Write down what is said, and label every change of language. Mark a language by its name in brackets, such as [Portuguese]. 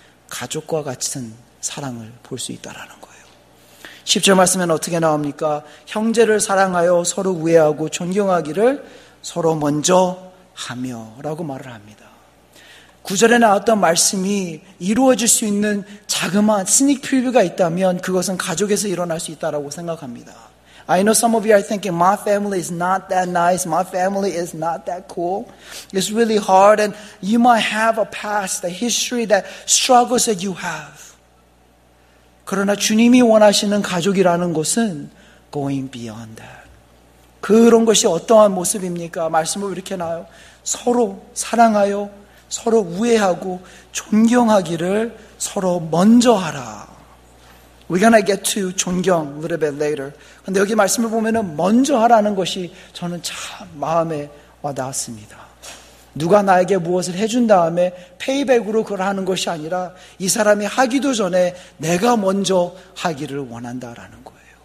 [Korean] 가족과 같은 사랑을 볼 수 있다라는 거예요. 10절 말씀에는 어떻게 나옵니까? 형제를 사랑하여 서로 우애하고 존경하기를 서로 먼저 하며 라고 말을 합니다. 9절에 나왔던 말씀이 이루어질 수 있는 자그마한 스닉 프리뷰가 있다면 그것은 가족에서 일어날 수 있다고 생각합니다. [English] I know some of you are thinking my family is not that nice, my family is not that cool. It's really hard and you might have a past, a history that struggles that you have. [Korean] 그러나 주님이 원하시는 가족이라는 것은 [English] going beyond that. [Korean] 그런 것이 어떠한 모습입니까? 말씀을 이렇게 나요. 서로 사랑하여 서로 우애하고 존경하기를 서로 먼저 하라. [English] We're gonna get to 존경 a little bit later. [Korean] 근데 여기 말씀을 보면은 먼저 하라는 것이 저는 참 마음에 와 닿았습니다. 누가 나에게 무엇을 해준 다음에 페이백으로 그걸 하는 것이 아니라 이 사람이 하기도 전에 내가 먼저 하기를 원한다라는 거예요.